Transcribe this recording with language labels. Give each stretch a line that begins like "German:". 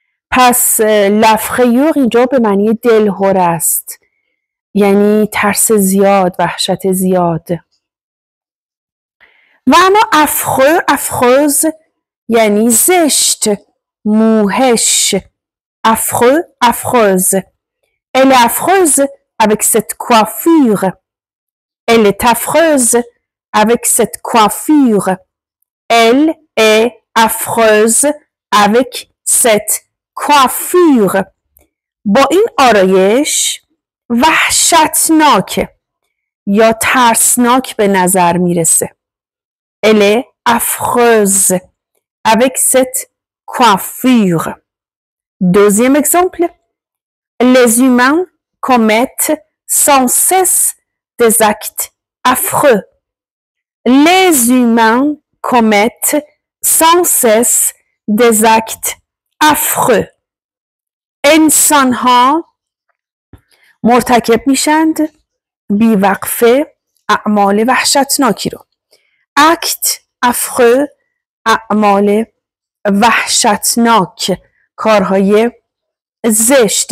Persian: پس لافریور اینجا به معنی دلهور است، یعنی ترس زیاد، وحشت زیاد. و اما افخوز یعنی زشت، موهش.
French: افخوز ال افخوز avec cette coiffure. Elle est affreuse avec cette coiffure. Elle est affreuse avec cette coiffure.
Persian: با این آرایش وحشتناک یا ترسناک به نظر میرسه.
French: Elle est affreuse avec cette coiffure. Deuxième exemple. Les humains commettent sans cesse des actes affreux. Les humains commettent sans cesse des actes affreux.
Persian: انسان‌ها مرتکب میشند بی‌وقفه اعمال وحشتناکی رو.
French: Act affreux،
Persian: اعمال وحشتناک، کارهای زشت.